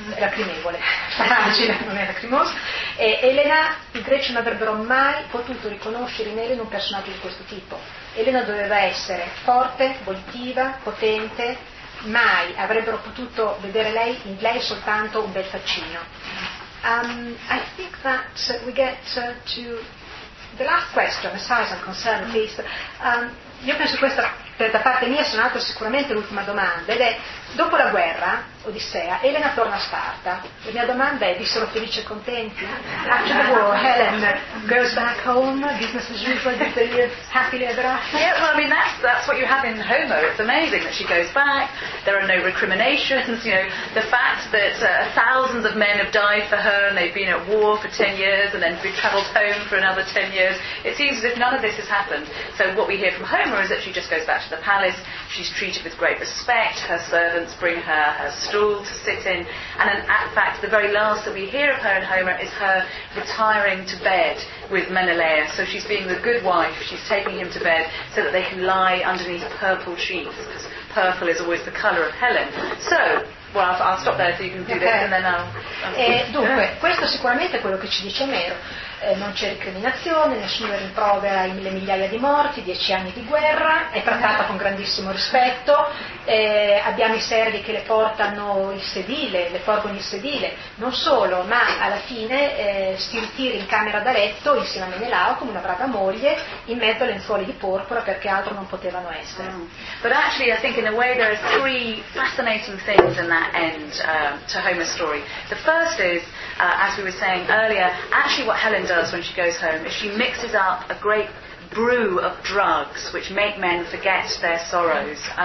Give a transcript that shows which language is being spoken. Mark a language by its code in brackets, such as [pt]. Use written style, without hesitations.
[it] Lacrimevole, fragile, non è lacrimosa. E Elena, i greci non avrebbero mai potuto riconoscere in Elena un personaggio di questo tipo. Elena doveva essere forte, volitiva, potente, mai avrebbero potuto vedere lei in lei soltanto un bel faccino. [en] I think that we get to the last question, as far as I'm concerned, please. [it] Io penso questa da parte mia sono altro sicuramente l'ultima domanda, ed è, dopo la guerra, Odissea, Elena torna a Sparta. La mia domanda è, vissero felici e contenti? [en] After the war, Helen goes back home, business as usual, did they live happily ever after? Yeah, well, I mean, that's what you have in Homer. It's amazing that she goes back, there are no recriminations, you know, the fact that thousands of men have died for her, and they've been at war for 10 years, and then travelled home for another 10 years, it seems as if none of this has happened. So what we hear from Homer is that she just goes back to the palace, she's treated with great respect, her servants bring her stool to sit in, and in fact the very last that we hear of her in Homer is her retiring to bed with Menelaus. So she's being the good wife, she's taking him to bed so that they can lie underneath purple sheets, because purple is always the colour of Helen. So, well, I'll stop there so you can do this, and then I'll [it] Dunque, questo sicuramente è quello che ci dice Mero. non c'è recriminazione, nessuno rimprovera i mille migliaia di morti, 10 anni di guerra, è trattata con grandissimo rispetto, abbiamo i servi che le portano il sedile, le porgono il sedile, non solo, ma alla fine si ritira in camera da letto insieme a Menelao come una brava moglie in mezzo alle lenzuole di porpora perché altro non potevano essere. [en] But actually I think in a way there are three fascinating things in that end to Homer's story. The first is, as we were saying earlier, actually what Helen does when she goes home is she mixes up a great brew of drugs which make men forget their sorrows.